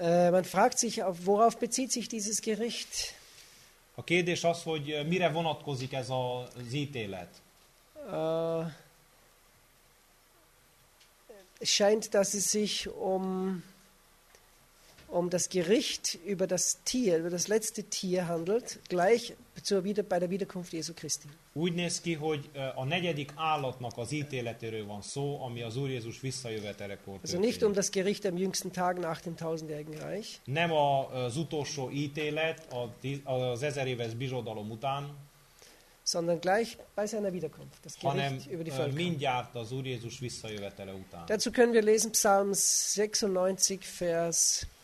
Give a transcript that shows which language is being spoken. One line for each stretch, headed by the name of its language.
German: Man fragt sich, worauf bezieht sich dieses Gericht?
Hungarian: A kérdés az, hogy mire vonatkozik ez az ítélet.
German: Scheint, dass es sich um das Gericht über das Tier, über das letzte Tier handelt, gleich bei der Wiederkunft Jesu Christi.
Hungarian: Úgy néz ki, hogy a negyedik állatnak az ítéletéről van szó, ami az Úr Jézus visszajövetelekor.
German: Also nicht um das Gericht am jüngsten Tag nach dem tausendjährigen Reich.
Hungarian: Nem az utolsó ítélet az ezer éves bizsodalom után.
German: Sondern gleich bei seiner Wiederkunft, das Gericht
Hungarian: hanem,
German: über die Völker.
Hungarian: Mindjárt az Úr Jézus visszajövetele után.
German: Dazu können wir lesen Psalm 96, Vers